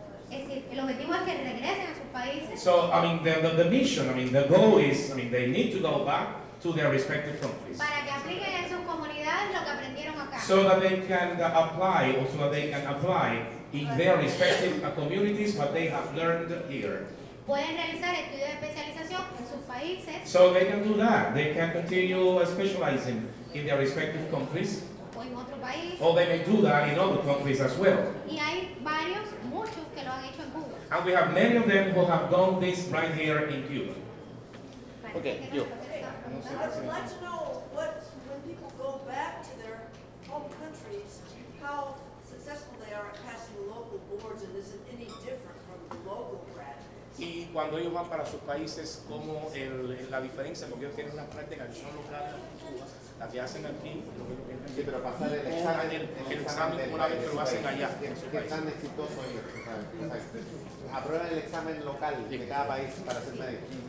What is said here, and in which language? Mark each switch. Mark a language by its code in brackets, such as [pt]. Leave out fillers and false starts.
[es] es decir, el objetivo es que regresen a sus países. [en] So, I mean, the mission, I mean, the goal is, I mean, they need to go back to their respective countries. [es] Para que apliquen en sus comunidades lo que aprendieron acá. [en] So that they can apply, or so that they can apply in their respective communities what they have learned here. [es] Pueden realizar estudios de especialización en sus países. [en] So they can do that. They can continue specializing in their respective countries. [es] O en otro país. [en] Or they may do that in other countries as well. [es] Y hay varios, muchos que lo han hecho en Cuba. [en] And we have many of them who have done this right here in Cuba. Okay, you. I'd like to know what, when people go back to their home countries, how successful they are at passing the local boards, and is it any different from the local? [es] Y cuando ellos van para sus países, ¿cómo la diferencia? Porque ellos tienen unas prácticas que son locales, las que hacen aquí. Sí, pero pasar el examen. El examen una vez que lo hacen allá. Que están exitosos ellos. Aprueban el examen local de cada país para ser médico.